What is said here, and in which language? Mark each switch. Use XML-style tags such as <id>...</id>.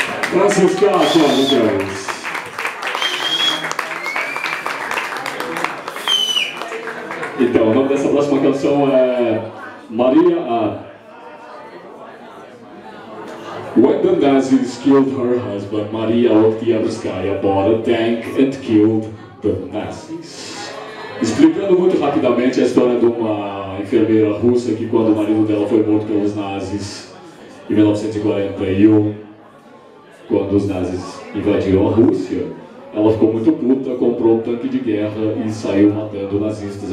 <pt>Francisca, sua mulher. Então, o nome dessa próxima canção é Maria A.</pt> <en>When the Nazis killed her husband, Maria looked the other sky, bought a tank and killed the Nazis.</en> <pt>Explicando muito rapidamente a história de uma enfermeira russa que, quando o marido dela foi morto pelos nazis em 1941, quando os nazis invadiram a Rússia, ela ficou muito puta, comprou um tanque de guerra e saiu matando nazistas.</pt>